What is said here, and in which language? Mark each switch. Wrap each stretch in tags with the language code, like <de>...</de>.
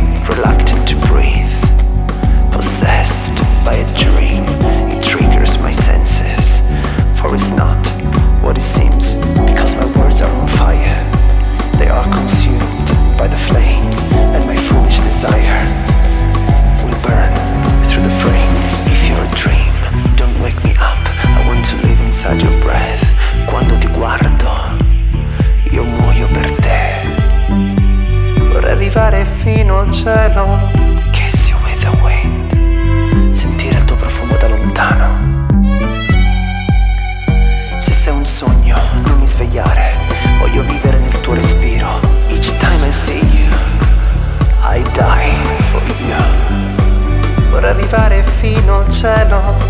<en>Reluctant to breathe, possessed by a dream, it triggers my senses, for it's not what it seems, because my words are on fire. They are consumed by the flames, and my foolish desire will burn through the frames. If you're a dream, don't wake me up, I want to live inside your breath.</en> <it>Quando ti guardo, io muoio per te. Vorrei arrivare fino al cielo,</it> <en>kiss you with the wind,</en> <it>sentire il tuo profumo da lontano. Se sei un sogno, non mi svegliare, voglio vivere nel tuo respiro.</it> <en>Each time I see you, I die for you.</en> <it>Vorrei arrivare fino al cielo.</it>